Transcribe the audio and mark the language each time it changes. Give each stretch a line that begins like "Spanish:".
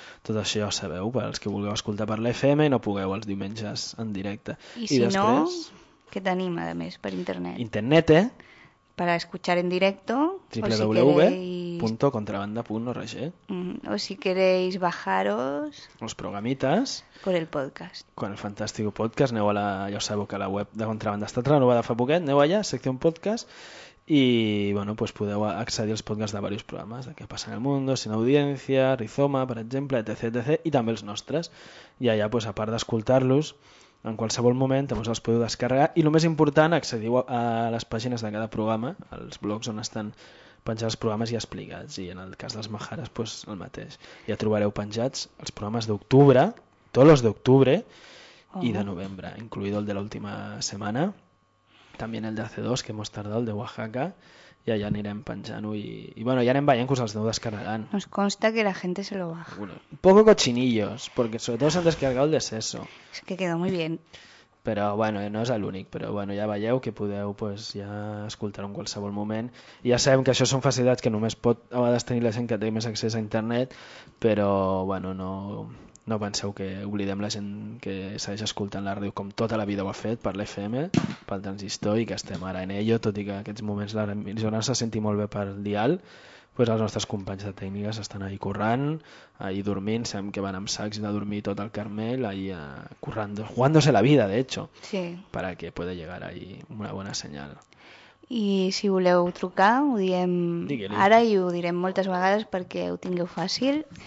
Catalan: Tot això ja ho sabeu, per als que vulgueu escoltar per l'FM i no pugueu els diumenges en directe. I si després... no, què tenim, a més, per internet? Internet, eh?
Spanish: Para escuchar en directo, www.contrabanda.org. O si queréis bajaros los programitas por el podcast. Con el fantástico podcast,
Catalan: aneu a la, ja sabeu que la web de Contrabanda està renovada fa poquet, aneu allà, secció podcast, i bueno, pues podeu accedir als podcasts de diversos programes, de Què passa en el món, Sin audiència, Rizoma, per exemple, etc, etc, i també els nostres. I allà, pues, a part d'escoltar-los, en qualsevol moment també els podeu descarregar i el més important, accediu a les pàgines de cada programa, als blogs on estan penjats els programes i explicats, i en el cas dels Majaras, pues, el mateix. Ja trobareu penjats els programes d'octubre, tots els d'octubre i de novembre, incluït el de l'última setmana, també el de C2,
Spanish: que hemos tardado,
Catalan: el de Oaxaca, i allà anirem penjant-ho i bueno, ja anem veient que us els aneu descarregant.
Spanish: Nos consta que la gente se lo baja. Bueno, un poco cochinillos, porque sobre todo se han descargado el de Seso. Es que quedó muy bien.
Catalan: Però bueno, no és l'únic, però bueno, ja veieu que podeu pues, ja escoltar-ho en qualsevol moment. I ja sabem que això són facilitats que només pot a vegades tenir la gent que té més accés a internet, però bueno, no penseu que oblidem la gent que segueix escoltant la ràdio com tota la vida ho ha fet per l'FM, pel transistor i que estem ara en ello, tot i que en aquests moments l'emissora se senti molt bé pel dial, pues els nostres companys de tècniques estan ahí currant, ahí dormint, sabem que van amb sacs de dormir tot el Carmel, ahí currant,
Spanish: jugándose la vida, de hecho,
Catalan: sí.
Spanish: Para que pueda llegar ahí una buena señal.
Catalan: I si voleu trucar, ho diem Digue-li. Ara i ho direm moltes vegades perquè ho tingueu fàcil.